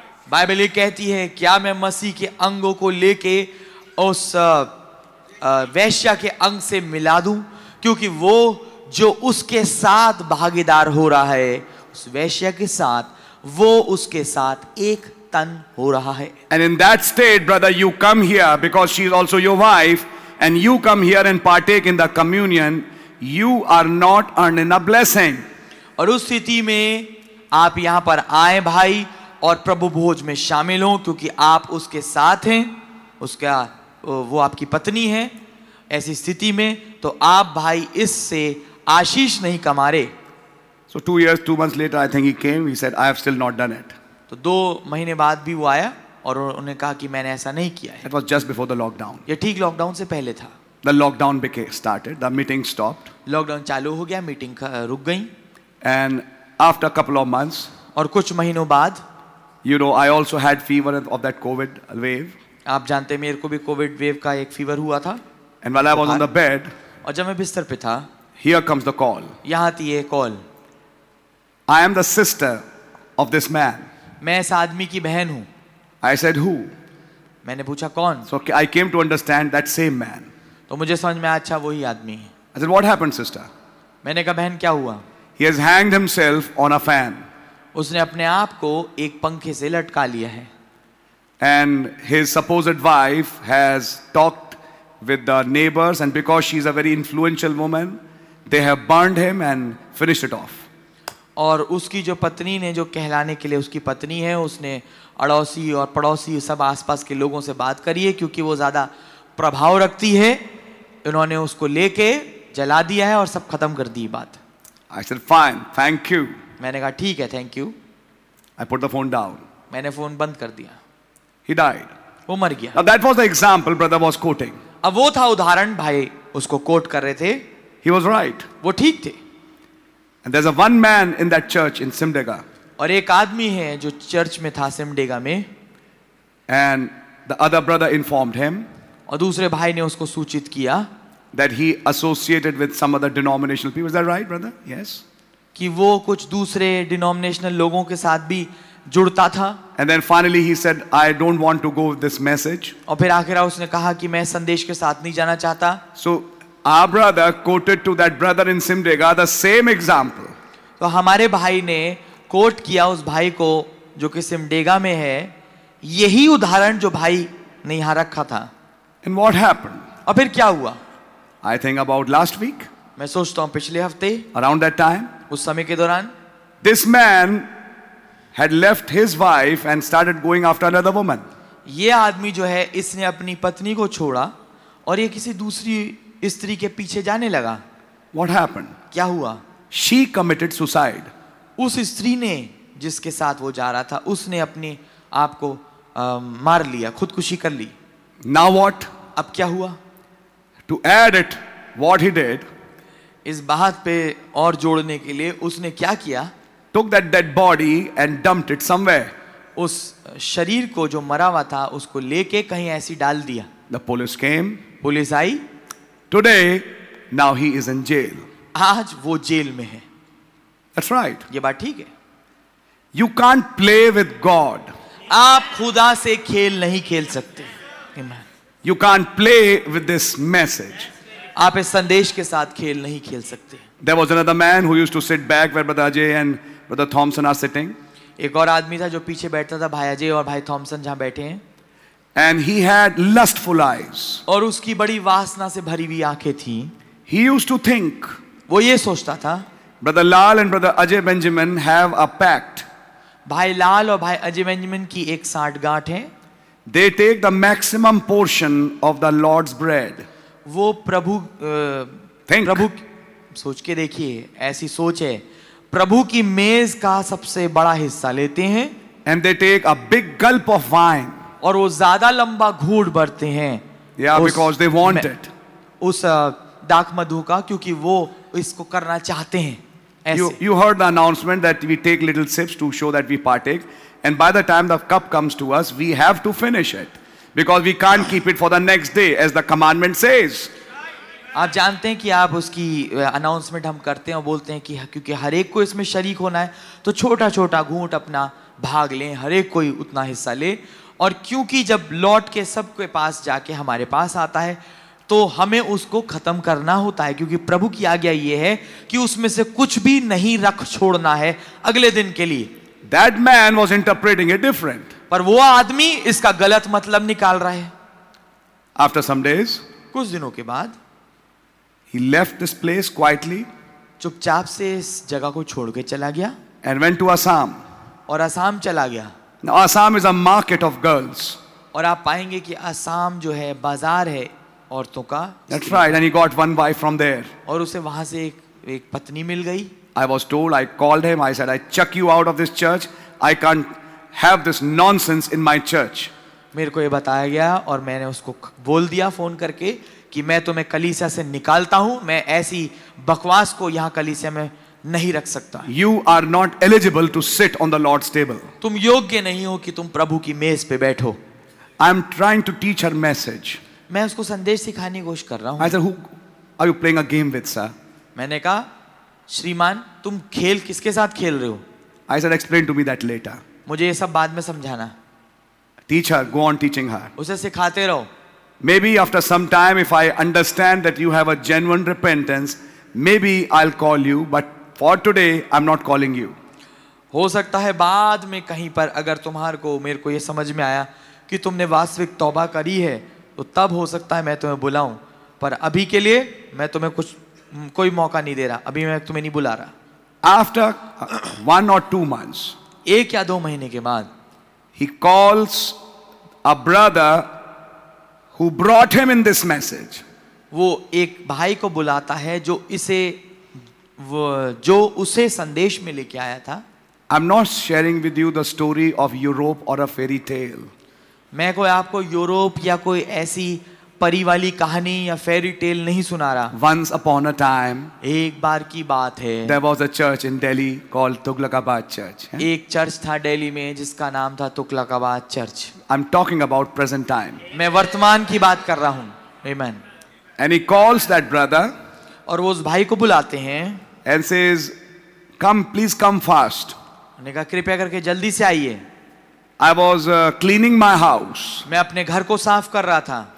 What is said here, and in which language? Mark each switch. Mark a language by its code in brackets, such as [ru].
[hi] Bible ये कहती है क्या मैं मसीह के अंगों को लेके उस वैश्या के अंग से मिला दूं, क्योंकि वो जो उसके साथ भागीदार हो रहा है उस वैश्या के साथ, वो उसके साथ एक तन हो रहा है. [en] And in that state brother you come here because she is also your wife and you come here and partake in the communion, you are not earning a blessing. [hi] और उस स्थिति में आप यहाँ पर आए भाई और प्रभु भोज में शामिल हों क्योंकि आप उसके साथ हैं, उसका वो आपकी पत्नी है, ऐसी स्थिति में तो आप भाई इससे आशीष नहीं कमा रहे. [en] So 2 years, 2 months later, I think he came. He said, "I have still not done it." [hi] तो 2 महीने बाद भी वो आया और उन्हें कहा कि मैंने ऐसा नहीं किया है. [en] It was just before the lockdown. [hi] ये ठीक lockdown से पहले था. [en] The lockdown started. The meeting stopped. [hi] Lockdown चालू हो गया, meeting रुक गई. [en] And after a couple of months. [hi] और कुछ महीनों बाद. [en] You know, I also had fever of that COVID wave. [hi] आप जानते हैं मेरे को भी COVID wave का एक fever हुआ था. [en] And while I was on the bed. [hi] और जब मैं बिस्तर पे था. [en] Here comes the call. [hi] यहाँ आती है call. [en] I am the sister of this man. [hi] मैं इस आदमी की बहन हूँ. [en] I said who? [hi] मैंने पूछा कौन? [en] So I came to understand that same man. [hi] तो मुझे समझ में आया अच्छा वही आदमी है. [en] I said what happened, sister? [hi] मैंने कहा बहन क्या हुआ? [en] He has hanged himself on a fan. [hi] उसने अपने आप को एक पंखे से लटका लिया है. [en] And his supposed wife has talked with the neighbors, and because she is a very influential woman, they have burned him and finished it off. [hi] और उसकी जो पत्नी ने जो कहलाने के लिए उसकी पत्नी है उसने अड़ोसी और पड़ोसी सब आसपास के लोगों से बात करी है क्योंकि वो ज़्यादा प्रभाव रखती है उन्होंने उसको लेके जला दिया है और सब खत्म कर दी बात. [en] I said fine, thank you. [hi] मैंने कहा ठीक है [en] Thank you. I put the phone down. [hi] मैंने फोन बंद कर दिया. [en] He died. [hi] वो मर गया. [en] Now that was the example brother was quoting. [hi] अब वो था उदाहरण भाई उसको कोट कर रहे थे. [en] He was right. [hi] वो ठीक थे. [en] And there's a one man in that church in Simdega. [hi] और एक आदमी है जो चर्च में था सिमडेगा में. [en] And the other brother informed him. [hi] और दूसरे भाई ने उसको सूचित किया. [en] That he associated with some other denominational people. Is that right, brother? Yes. [hi] कि वो कुछ दूसरे denominational लोगों के साथ भी जुड़ता था. [en] And then finally he said, I don't want to go with this message. [hi] और फिर आखिर उसने कहा कि मैं संदेश के साथ नहीं जाना चाहता. [en] So our brother quoted to that brother in Simdega the same example. [hi] तो हमारे भाई ने कोट किया उस भाई को जो कि सिमडेगा में है यही उदाहरण जो भाई ने यहां रखा था. [en] And what happened? [hi] और फिर क्या हुआ? [en] I think about last week. [hi] मैं सोचता हूं पिछले हफ्ते. [en] Around that time. [hi] उस समय के दौरान. [en] This man had left his wife and started going after another woman. [hi] ये आदमी जो है इसने अपनी पत्नी को छोड़ा और ये किसी दूसरी स्त्री के पीछे जाने लगा. [en] What happened? [hi] क्या हुआ? [en] She committed suicide. [hi] उस स्त्री ने जिसके साथ वो जा रहा था उसने अपने आप को मार लिया, खुदकुशी कर ली. [en] Now what? [hi] अब क्या हुआ? [en] To add it, what he did? [hi] इस बात पे और जोड़ने के लिए उसने क्या किया? [en] Took that dead body and dumped it somewhere. [hi] उस शरीर को जो मरा हुआ था उसको लेके कहीं ऐसी डाल दिया. [en] The police came. [hi] Police I. [en] Today, now he is in jail. [hi] आज वो जेल में है. [en] That's right. [hi] ये बात ठीक है. [en] You can't play with God. [hi] आप खुदा से खेल नहीं खेल सकते. [en] Amen. You can't play with this message. [hi] आप इस संदेश के साथ खेल नहीं खेल सकते. [en] There was another man who used to sit back where Brother Ajay and Brother Thompson are sitting. [hi] एक और आदमी था जो पीछे बैठता था भाई अजय और भाई थॉमसन जहाँ बैठे हैं. [en] And he had lustful eyes. [hi] और उसकी बड़ी वासना से भरी हुई आंखें थीं. [en] He used to think. [hi] वो ये सोचता था. [en] Brother Lal and Brother Ajay Benjamin have a pact. [hi] भाई लाल और भाई अजय बेंजामिन की एक साठगांठ है. [en] They take the maximum portion of the Lord's bread. [hi] वो प्रभु प्रभु सोच के देखिए ऐसी सोच है. प्रभु की मेज का सबसे बड़ा हिस्सा लेते हैं. [en] And they take a big gulp of wine. [hi] और वो ज्यादा लंबा घूंट भरते हैं. [en] Yeah, because they want it. [hi] उस दाख मधु का क्योंकि वो इसको करना चाहते हैं. [en] You heard the announcement that we take little sips to show that we partake, and by the time the cup comes to us, we have to finish it because we can't keep it for the next day, as the commandment says. [hi] आप जानते हैं कि आप उसकी announcement हम करते हैं और बोलते हैं कि क्योंकि हर एक को इसमें शरीक होना है तो छोटा छोटा घूंट अपना भाग लें, हर एक कोई उतना हिस्सा ले. और क्योंकि जब लौट के सबके पास जाके हमारे पास आता है तो हमें उसको खत्म करना होता है क्योंकि प्रभु की आज्ञा यह है कि उसमें से कुछ भी नहीं रख छोड़ना है अगले दिन के लिए. [en] That man was interpreting it different. [hi] पर वो आदमी इसका गलत मतलब निकाल रहा है. [en] After some days, [hi] कुछ दिनों के बाद [en] he left this place quietly, [hi] चुपचाप से इस जगह को छोड़कर चला गया [en] and went to Assam, [hi] और असम चला गया. [en] Now Assam is a market of girls, [hi] और आप पाएंगे कि असम जो है बाजार है औरतों का. [en] That's right, and he got one wife from there, [hi] और उसे वहां से एक पत्नी मिल गई. [en] I was told, I called him, I said, I chuck you out of this church, I can't have this nonsense in my church. [hi] मेरे को ये बताया गया और मैंने उसको बोल दिया फोन करके कि मैं तुम्हें कलीसिया से निकालता हूं, मैं ऐसी बकवास को यहां कलीसिया में नहीं रख सकता. [en] You are not eligible to sit on the Lord's table. [hi] तुम योग्य नहीं हो कि तुम प्रभु की मेज पे बैठो. [en] I am trying to teach her message. [hi] मैं उसको संदेश सिखाने की कोशिश कर रहा हूं. [en] I said, who are you playing a game with, sir? [hi] मैंने कहा, श्रीमान तुम खेल किसके साथ खेल रहे हो? [en] I said, explain to me that later. [hi] मुझे ये सब बाद में समझाना. [en] Teach her, go on teaching her. [hi] उसे सिखाते रहो. [en] Maybe after some time, if I understand that you have a genuine repentance, maybe I'll call you. But for today, I'm not calling you. [hi] हो सकता है बाद में कहीं पर अगर तुम्हारे को मेरे को ये समझ में आया कि तुमने वास्तविक तौबा करी है, तो तब हो सकता है मैं तुम्हें बुलाऊं. पर अभी के लिए मैं तुम्हें कुछ कोई मौका नहीं दे रहा. अभी मैं तुम्हें नहीं बुला रहा. [en] After one or two months, [hi] एक या दो महीने के बाद, [en] he calls a brother who brought him in this message. [hi] वो एक भाई को बुलाता है जो इसे जो उसे संदेश में लेके आया था. [en] I'm not sharing with you the story of Europe or a fairy tale. [hi] मैं कोई आपको यूरोप या कोई ऐसी परी वाली कहानी या [en] fairy tale [hi] नहीं सुना रहा. [en] Once upon a time, [hi] एक बार की बात है. [en] There was a church in Delhi called Tughlaqabad Church. [hi] एक चर्च था दिल्ली में जिसका नाम था Tughlakabad church. [en] I'm talking about present time. [hi] मैं वर्तमान की बात कर रहा हूँ. [en] Amen. And he calls that brother. [hi] और वो उस भाई को बुलाते हैं. [en] And says, come, please come fast. [hi] उन्हें कहा कृपया करके जल्दी से आइए. [en] I was cleaning my house. [hi] मैं अपने घर को साफ कर रहा था.